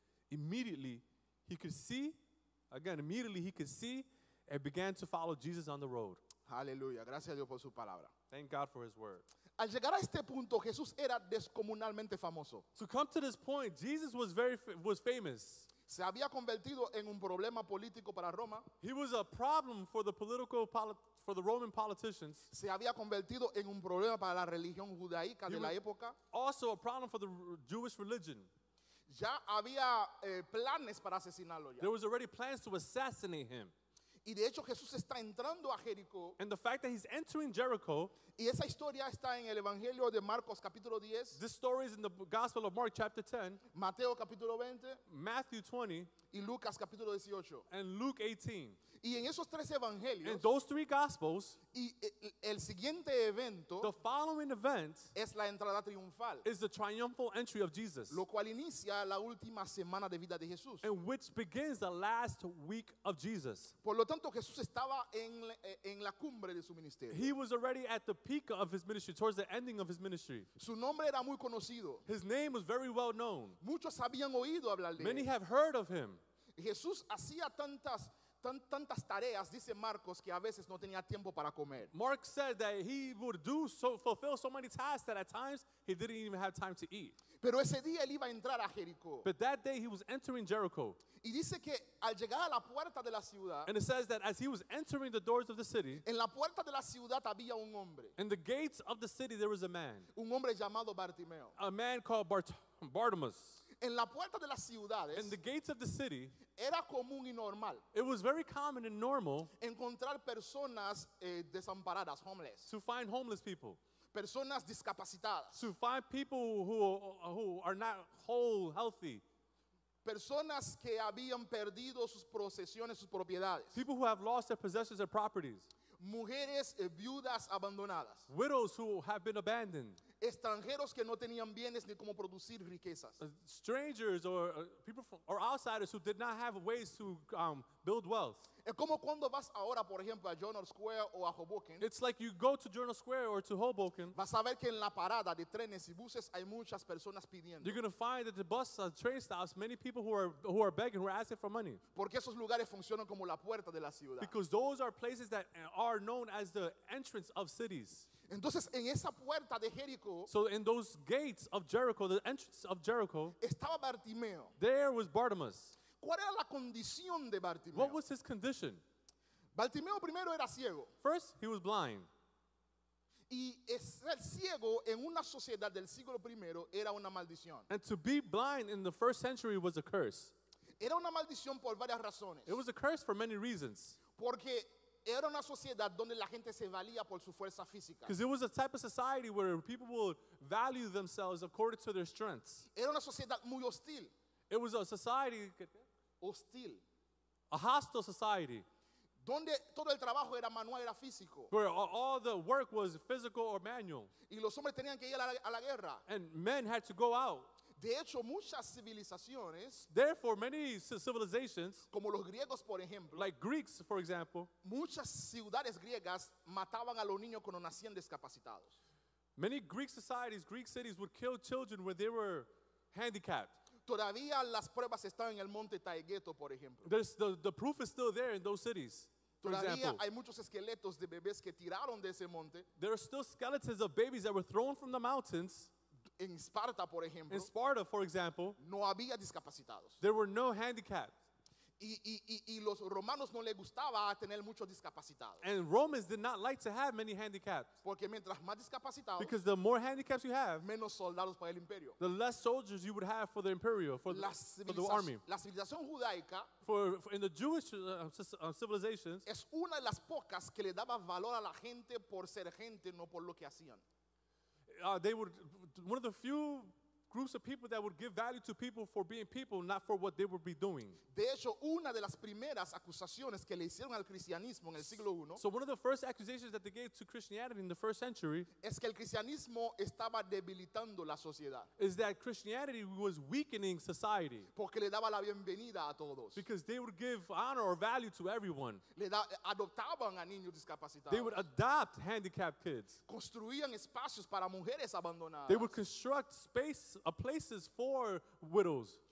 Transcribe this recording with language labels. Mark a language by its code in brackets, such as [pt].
[en] Immediately, he could see. Again, immediately he could see and began to follow Jesus on the road. Hallelujah. [es] Gracias a Dios por su palabra. [en] Thank God for his word. [es] Al llegar a este punto, Jesús era descomunalmente famoso. [en] To come to this point, Jesus was famous. [es] Se había convertido en un problema político para Roma. [en] He was a problem for the political for the Roman politicians. [es] Se había convertido en un problema para la religión judaica de la época. [en] Also a problem for the Jewish religion. [es] Ya había planes para asesinarlo ya. [en] There was already plans to assassinate him. [es] Y de hecho Jesús está entrando a Jericó. [en] And the fact that he's entering Jericho. [es] Y esa historia está en el Evangelio de Marcos capítulo 10. [en] This story is in the Gospel of Mark chapter 10. [es] Mateo capítulo 20. [en] Matthew 20. [es] Y Lucas capítulo 18. [en] And Luke 18. [es] Y en esos tres evangelios. [en] In those three Gospels. [es] Y el siguiente evento. [en] The following event. [es] Es la entrada triunfal. [en] Is the triumphal entry of Jesus. [es] Lo cual inicia la última semana de vida de Jesús. [en] And which begins the last week of Jesus. [es] Por lo tanto Jesús estaba en la cumbre de su ministerio. [en] He was already at the peak of his ministry, towards the ending of his ministry. [es] Su nombre era muy conocido. [en] His name was very well known. [es] Muchos habían oído hablar de él. [en] Many have heard of him. [es] Jesús hacía tantas tareas, dice Marcos, que a veces no tenía tiempo para comer. [en] Mark said that he would fulfill so many tasks that at times he didn't even have time to eat. [es] Pero ese día él iba a entrar a Jericó. [en] But that day he was entering Jericho. [es] Y dice que al llegar a la puerta de la ciudad, [en] and it says that as he was entering the doors of the city, [es] en la puerta de la ciudad había un hombre. [en] In the gates of the city there was a man. [es] Un hombre llamado Bartimeo. [en] A man called Bartimeo. [es] En la puerta de las ciudades, [en] in the gates of the city, [es] era común y normal, [en] it was very common and normal, [es] encontrar personas desamparadas, homeless, [en] to find homeless people, [es] personas discapacitadas, [en] to find people who are not whole, healthy, [es] personas que habían perdido sus posesiones, sus propiedades, [en] people who have lost their possessions and properties, [es] mujeres viudas abandonadas, [en] widows who have been abandoned, [es] extranjeros que no tenían bienes ni cómo producir riquezas. [en] Strangers or people from, or outsiders who did not have ways to build wealth. [es] Es como cuando vas ahora, por ejemplo, a Journal Square o a Hoboken. [en] It's like you go to Journal Square or to Hoboken. [es] Vas a ver que en la parada de trenes y buses hay muchas personas pidiendo. [en] You're going to find that the bus and train stops, many people who are begging, who are asking for money. [es] Porque esos lugares funcionan como la puerta de la ciudad. [en] Because those are places that are known as the entrance of cities. [es] Entonces, en esa puerta de Jericho, [en] so in those gates of Jericho, the entrance of Jericho, [es] estaba Bartimeo. [en] There was Bartimeo. [es] ¿Cuál era la condición de Bartimeo? [en] What was his condition? [es] Bartimeo primero era ciego. [en] First, he was blind. [es] Y ser ciego en una sociedad del siglo primero era una maldición. [en] And to be blind in the first century was a curse. [es] Era una maldición por varias razones. [en] It was a curse for many reasons. [es] Porque era una sociedad donde la gente se valía por su fuerza física. [en] Because it was a type of society where people would value themselves according to their strengths. [es] Era una sociedad muy hostil. [en] It was a society [es] hostil. [en] A hostile society. [es] Donde todo el trabajo era manual, era físico. [en] Where all the work was physical or manual. [es] Y los hombres tenían que ir a la guerra. [en] And men had to go out. [es] De hecho, muchas civilizaciones, [en] therefore, many civilizations, [es] como los griegos, por ejemplo, [en] like Greeks, for example, [es] muchas ciudades griegas mataban a los niños cuando nacían discapacitados. [en] Many Greek societies, Greek cities, would kill children when they were handicapped. [es] Todavía las pruebas están en el monte Taigeto, por ejemplo. [en] The proof is still there in those cities. [es] Todavía hay muchos esqueletos de bebés que tiraron de ese monte. [en] There are still skeletons of babies that were thrown from the mountains. [es] En Sparta, por ejemplo, [en] in Sparta, for example, [es] no había discapacitados. [en] There were no handicapped. [es] Y los romanos no les gustaba tener muchos discapacitados. [en] And Romans did not like to have many handicapped. [es] Porque mientras más discapacitados, [en] because the more handicaps you have, [es] menos soldados para el imperio. [en] The less soldiers you would have for the imperial, for the army. [es] La civilización judaica, [en] for in the Jewish civilizations, [es] es una de las pocas que le daba valor a la gente por ser gente, no por lo que hacían. [en] They were one of the few groups of people that would give value to people for being people, not for what they would be doing. [es] De hecho, una de las primeras acusaciones que le hicieron al cristianismo en el siglo I. [en] So one of the first accusations that they gave to Christianity in the first century [es] es que el cristianismo estaba debilitando la sociedad. [en] Is that Christianity was weakening society. [es] Porque le daba la bienvenida a todos. [en] Because they would give honor or value to everyone. [es] Adoptaban a niños discapacitados. [en] They would adopt handicapped kids. [es] Construían espacios para mujeres abandonadas. [en] They would construct spaces a places for widows.